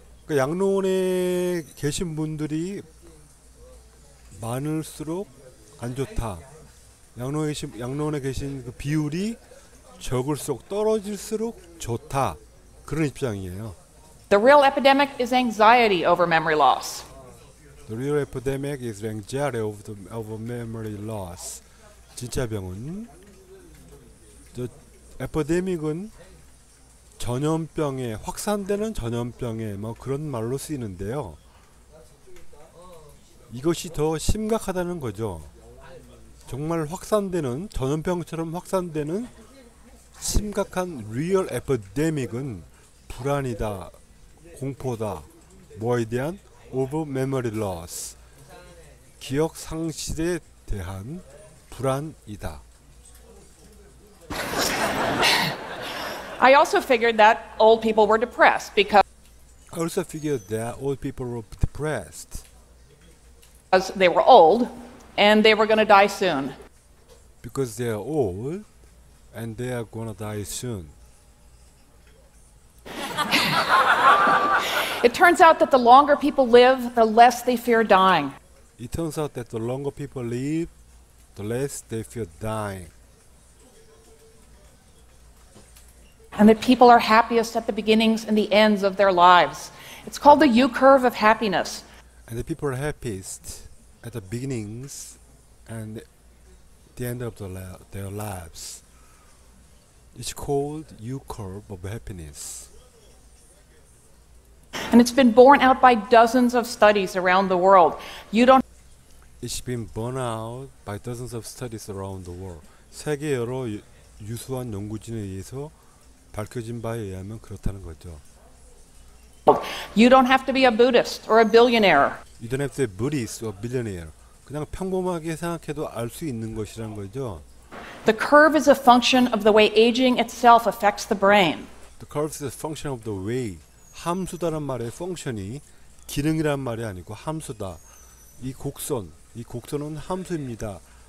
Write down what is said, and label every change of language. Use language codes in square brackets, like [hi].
[ko] 양로원에 계신 분들이 많을수록 안 좋다. 양로원에 계신 그 비율이 적을수록 떨어질수록 좋다. 그런 입장이에요. [en] The real epidemic is anxiety over memory loss. The real epidemic is anxiety of memory loss. [ko] 진짜 병은 저 에퍼데믹은 전염병에 확산되는 전염병에 뭐 그런 말로 쓰이는데요. 이것이 더 심각하다는 거죠. 정말 확산되는 전염병처럼 확산되는 심각한 리얼 에퍼데믹은 불안이다, 공포다, 뭐에 대한 오버 메모리 러스, 기억 상실에 대한 불안이다. [en] I also figured that old people were depressed I also figured that old people were depressed. because they were old and they were going to die soon. Because they are old and they are gonna die soon. It turns out that the longer people live, the less they fear dying. It turns out that the longer people live, the less they fear dying. And that people are happiest at the beginnings and the ends of their lives. It's called the U-curve of happiness. And the people are happiest at the beginnings and the end of their lives. It's called U-curve of happiness. And it's been borne out by dozens of studies around the world. You don't It's been borne out by dozens of studies around the world. [ko] 세계 여러 유수한 연구진에 의해서 밝혀진 바에 의하면 그렇다는 거죠. [en] You don't have to be a Buddhist or a billionaire. You don't have to be Buddhist or billionaire. [ko] 그냥 평범하게 생각해도 알수 있는 것이란 거죠. [en] The curve is a function of the way aging itself affects the brain. The curve is a function of the way. [ko] 함수다란 말의 function이 기능이란 말이 아니고 함수다. 이 곡선은 함수입니다.